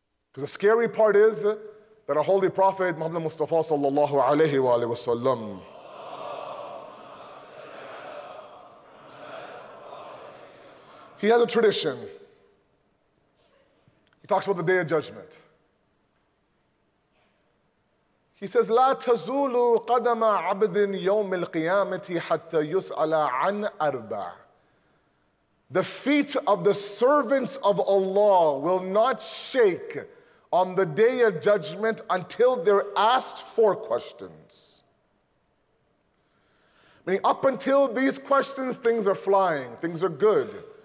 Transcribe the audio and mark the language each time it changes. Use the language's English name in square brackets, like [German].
[English] Because the scary part is that our Holy Prophet Muhammad Mustafa sallallahu alayhi wa alayhi wa sallam, he has a tradition. He talks about the Day of Judgment. He says, [Arabic] لا تزول قدم عبد يوم القيامة حتى يسأل عن أربع. [English] The feet of the servants of Allah will not shake on the Day of Judgment until they're asked four questions. Meaning up until these questions, things are flying, things are good.